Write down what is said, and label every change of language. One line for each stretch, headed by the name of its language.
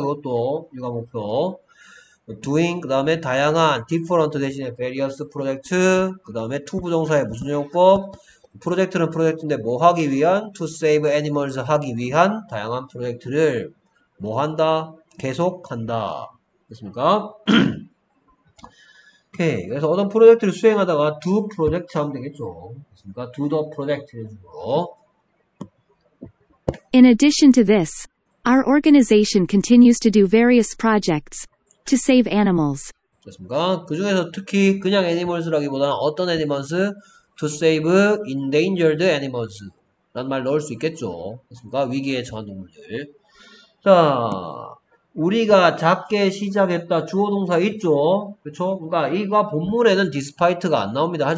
Korean: 그것도 일과 목표. doing 그 다음에 다양한 different 대신에 various project 그 다음에 to 부정사의 무슨 용법 프로젝트는 프로젝트인데 뭐 하기 위한
English: to save animals
Korean: 하기 위한 다양한 프로젝트를 뭐 한다 계속한다 됐습니까? 오케이 그래서 어떤 프로젝트를 수행하다가 do 프로젝트 하면 되겠죠 됐습니까?
English: do the project
Korean: 이런 식으로
English: In addition to this, our organization continues to do various projects to save animals.
Korean: 됐습니까? 그 중에서 특히 그냥 애니멀스라기보다는 어떤 애니멀스?
English: To save endangered animals
Korean: 라는 말 넣을 수 있겠죠. 됐습니까? 위기에 처한 동물들. 자, 우리가 작게 시작했다. 주어 동사 있죠. 그렇죠? 그러니까 이거 본문에는 despite가 안 나옵니다.